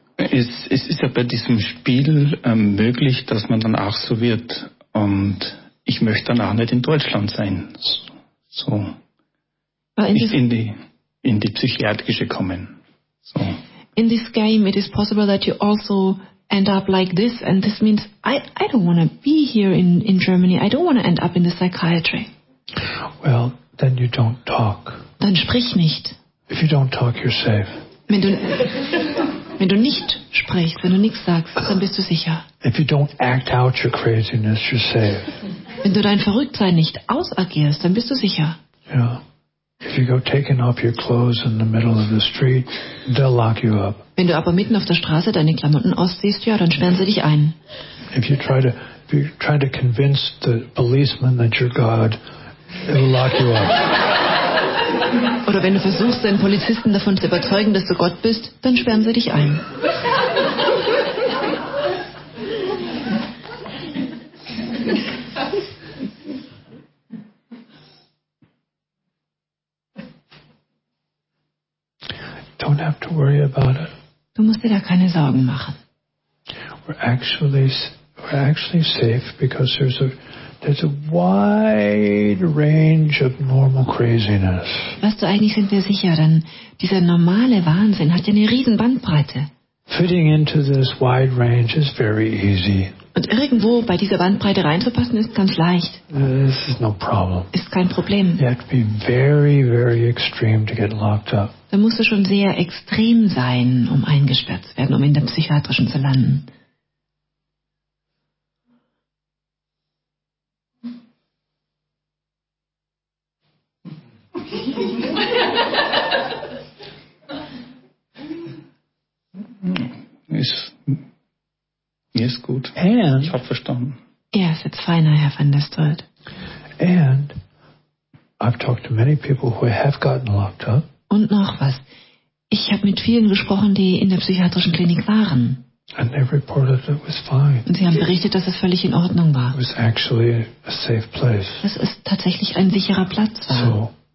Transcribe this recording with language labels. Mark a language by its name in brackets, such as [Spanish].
[German] Ist ja bei diesem Spiel möglich, dass man dann auch so wird und ich möchte dann auch nicht in Deutschland sein, so nicht in die psychiatrische kommen. So. [English] In this game it is possible that you also end up like this and this means I don't want to be here in Germany, I don't want to end up in the psychiatry. Well, then you don't talk. [German] Dann sprich nicht. [English] If you don't talk, you're safe. [German] Wenn du nicht sprichst, wenn du nichts sagst, dann bist du sicher. [English] If you don't act out your craziness, you're safe. [German] Wenn du dein Verrücktsein nicht ausagierst, dann bist du sicher. [English] Yeah. If you go taking off your clothes in the middle of the street, they'll lock you up. [German] Wenn du aber mitten auf der Straße deine Klamotten ausziehst, ja, dann sperren sie dich ein. [English] If you try to convince the policeman that you're God, they'll lock you up. [German] Oder wenn du versuchst, deinen Polizisten davon zu überzeugen, dass du Gott bist, dann sperren sie dich ein. [English] Don't have to worry about it. [German] Du musst dir da keine Sorgen machen. [English] We're actually safe because there's a There's a wide range of normal craziness. [German] Weißt du, eigentlich sind wir sicher, denn dieser normale Wahnsinn hat ja eine riesen Bandbreite. [English] Fitting into this wide range is very easy. [German] Und irgendwo bei dieser Bandbreite reinzupassen ist ganz leicht. [English] This is no problem. [German] Ist kein Problem. [English] You have to be very, very extreme to get locked up. [German] Da musst du schon sehr extrem sein, um eingesperrt zu werden, um in der psychiatrischen zu landen. Ist gut. [English] And [German] ich habe verstanden. [English] Yes, it's fine, Herr van der Stolt. And I've talked to many people who have gotten locked up. [German] Und noch was. Ich habe mit vielen gesprochen, die in der psychiatrischen Klinik waren. [English] And they reported it was fine. [German] Und sie haben berichtet, dass es völlig in Ordnung war. [English] It was actually a safe place. [German] Dass es tatsächlich ein sicherer Platz war. So.